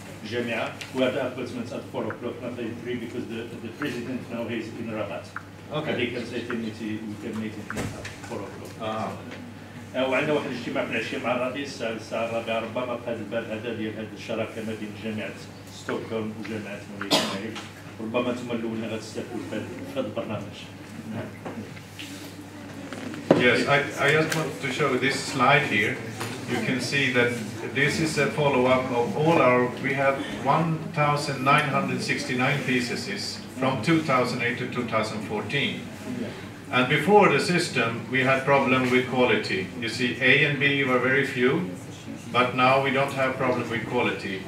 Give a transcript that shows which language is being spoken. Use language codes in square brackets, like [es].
[ar] جامعة وهذا [en] appointment at 4 o'clock, not at 3, because the president now is in Rabat. Okay. They can say we can meet it at 4 o'clock. [ar] وعندنا واحد الاجتماع في العشية مع الرئيس الساعة 4 في هذا الباب هذا ديال هذه الشراكة ما بين جامعة ستوكهولم وجامعة مناهج، ربما تما الأولى غتستفاد في هذا البرنامج. [en] Yes, I just want to show this slide here. You can see that this is a follow-up of all our, we have 1,969 theses from 2008 to 2014. And before the system, we had problem with quality. You see, A and B were very few, but now we don't have problem with quality.